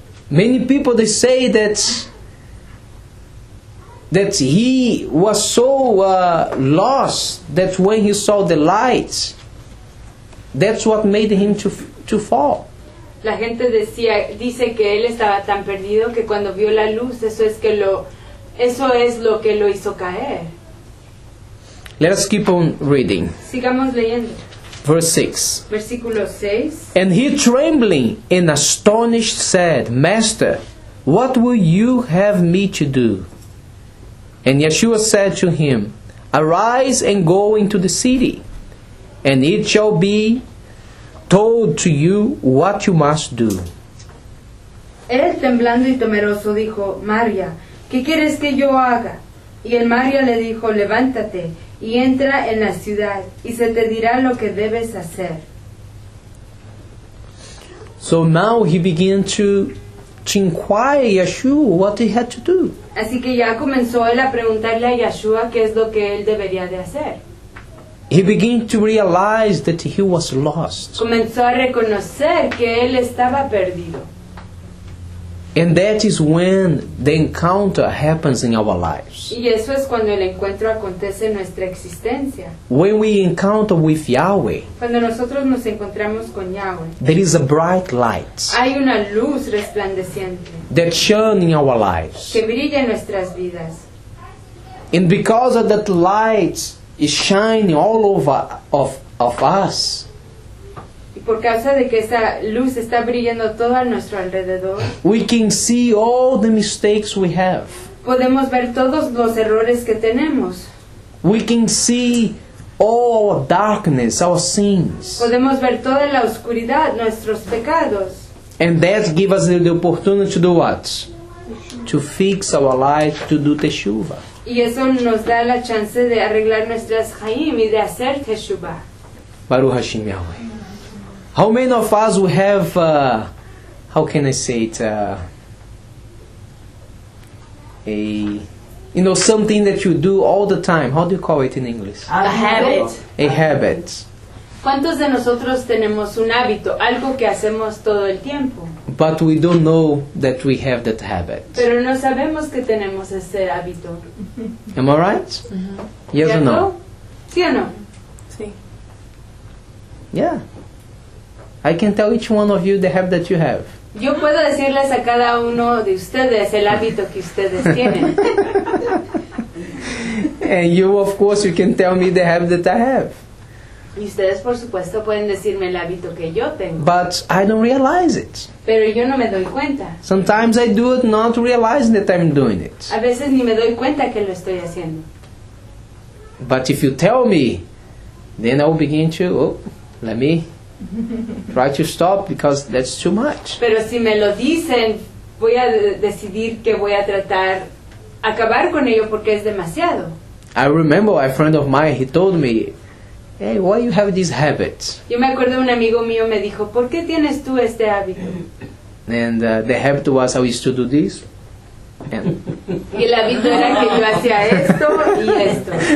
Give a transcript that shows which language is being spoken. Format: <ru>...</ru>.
<en>Many people, they say that he was so lost that when he saw the light, that's what made him to fall.</en> <es>La gente dice que él estaba tan perdido que cuando vio la luz, eso es lo que lo hizo caer.</es> <en>Let us keep on reading.</en> <es>Sigamos leyendo.</es> <en>Verse 6. And he trembling and astonished said, Master, what will you have me to do? And Yeshua said to him, Arise and go into the city, and it shall be told to you what you must do.</en> <es>Él temblando y temeroso dijo, María, ¿qué quieres que yo haga? Y el María le dijo, Levántate. Y entra en la ciudad, y se te dirá lo que debes hacer.</es> <en>So now he began to inquire Yeshua what he had to do.</en> <es>Así que ya comenzó él a preguntarle a Yeshua qué es lo que él debería de hacer.</es> <en>He began to realize that he was lost.</en> <es>Comenzó a reconocer que él estaba perdido.</es> <en>And that is when the encounter happens in our lives.</en> <es>Y eso es cuando el encuentro acontece en nuestra existencia.</es> <en>When we encounter with Yahweh,</en> <es>cuando nosotros nos encontramos con Yahweh,</es> <en>there is a bright light.</en> <es>Hay una luz resplandeciente.</es> <en>That shone in our lives.</en> <es>Que brilla en nuestras vidas.</es> <en>And because of that light is shining all over of us.</en> <es>Por causa de que esa luz está brillando todo a nuestro alrededor,</es> <en>we can see all the mistakes we have.</en> <es>Podemos ver todos los errores que tenemos.</es> <en>We can see all our darkness, our sins.</en> <es>Podemos ver toda la oscuridad, nuestros pecados.</es> <en>And that gives us the opportunity to do what? To fix our life, to do teshuva.</en> <es>Y eso nos da la chance de arreglar nuestras chayim y de hacer teshuva.</es> <he>Baruch Hashem Yahweh.</he> <en>How many of us we have, something that you do all the time? How do you call it in English? A habit.</en> <es>¿Cuántos de nosotros tenemos un hábito, algo que hacemos todo el tiempo?</es> <en>But we don't know that we have that habit.</en> <es>Pero no sabemos que tenemos ese hábito.</es> <en>Am I right? Mm-hmm. Yes or no?</en> <es>Sí o no? Sí.</es> <en>Yeah. I can tell each one of you the habit that you have.</en> <es>Yo puedo decirles a cada uno de ustedes el hábito que ustedes tienen.</es> <en>And you, of course, you can tell me the habit that I have.</en> <es>Y ustedes, por supuesto, pueden decirme el hábito que yo tengo.</es> <en>But I don't realize it.</en> <es>Pero yo no me doy cuenta.</es> <en>Sometimes I do it not realizing that I'm doing it.</en> <es>A veces ni me doy cuenta que lo estoy haciendo.</es> <en>But if you tell me, then I will begin to, let me try to stop because that's too much.</en> <es>Pero si me lo dicen, voy a decidir que voy a tratar acabar con ello porque es demasiado.</es> <en>I remember a friend of mine, he told me, hey, why you have these habits?</en> <es>Yo me acuerdo un amigo mío me dijo, ¿por qué tienes tú este hábito?</es> <en>And the habit was I used to do this.</en> <es>Y el hábito era que yo hacía esto y esto.</es>